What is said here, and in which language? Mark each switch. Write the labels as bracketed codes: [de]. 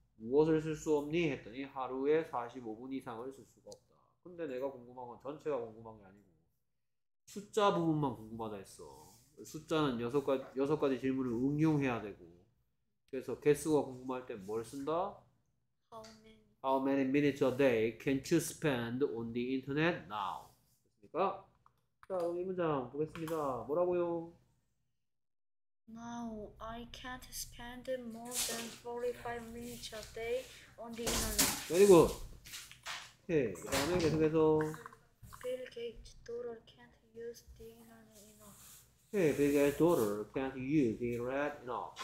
[ko] 무엇을 쓸수 없니? 했더니 하루에 45분 이상을 쓸 수가 없다. 근데 내가 궁금한 건 전체가 궁금한 게 아니고 숫자 부분만 궁금하다 했어. 숫자는 여섯 가지 질문을 응용해야 되고 그래서 개수가 궁금할 때뭘 쓴다? [en] How many? How many minutes a day can you spend on the internet now? [ko] 그러니까 자, 이 문장 보겠습니다. 뭐라고요? [en] No, I can't spend more than 45 minutes a day on the internet. Very good. [ko] 오케이. 그 다음에 계속해서. [en] Bill Gates' daughter can't use the internet enough. Hey, big ass daughter can't use the internet enough.